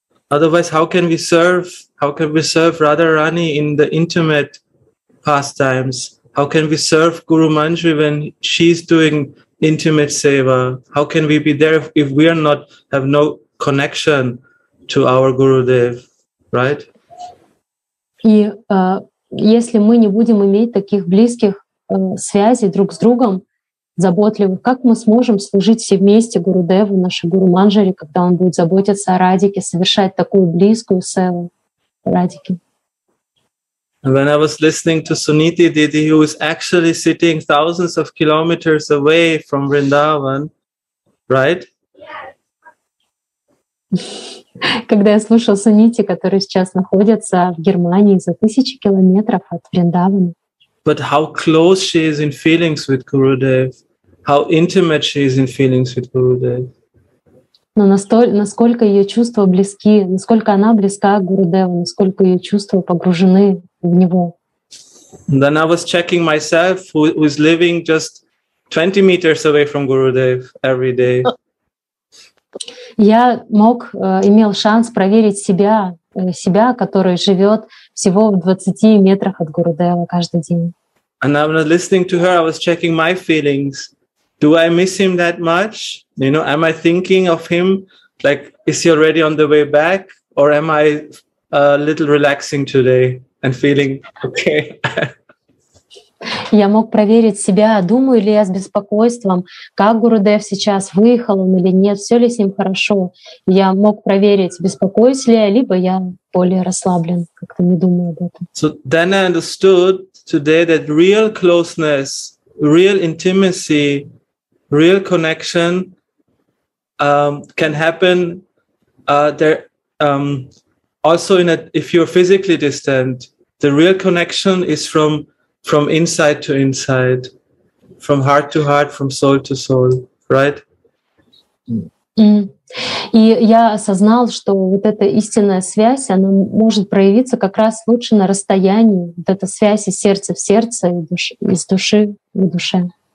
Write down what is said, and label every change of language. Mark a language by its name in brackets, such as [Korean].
[English] Otherwise, how can we serve Radharani in the intimate pastimes? How can we serve Guru Manjari when she's doing intimate seva? How can we be there if we are not, have no connection to our Gurudev, right? [Russian] И если мы не будем иметь таких близких связей друг с другом, заботливых, как мы сможем служить все вместе Гурудеву, нашему Гуру Манджари, когда он будет заботиться о Радике, совершать такую близкую севу Радике? [English] When I was listening to Suniti Didi, who is actually sitting thousands of kilometers away from Vrindavan, right? [Russian] Когда я слушал Суниti, который сейчас находится в Германии за тысячи километров от Вриндавана. [English] But how close she is in feelings with Gurudev, how intimate she is in feelings with Gurudev. [Russian] Но насколько ее чувства близки, насколько она близка к Гурудеву, насколько ее чувства погружены в него. [English] Then I was checking myself, who is living just 20 meters away from Gurudev every day. [Russian] Я мог, имел шанс проверить себя, который живет всего в 20 метрах от Гурудева каждый день. [English] And I was listening to her, I was checking my feelings. Do I miss him that much? You know, am I thinking of him? Like, is he already on the way back? Or am I a little relaxing today and feeling okay? [Russian] Я мог проверить себя, думаю ли я с беспокойством, как Гурудев сейчас, выехал он или нет, все ли с ним хорошо. Я мог проверить, беспокоюсь ли я, либо я более расслаблен, как-то не думаю об этом. [English] So then I understood today that real closeness, real intimacy, real connection can happen there also in a, if you're physically distant, the real connection is from inside to inside, from heart to heart, from soul to soul, right? [Russian] И я осознал, что вот эта истинная связь, она может проявиться как раз лучше на расстоянии, вот эта связь из сердца в сердце, из души в душе.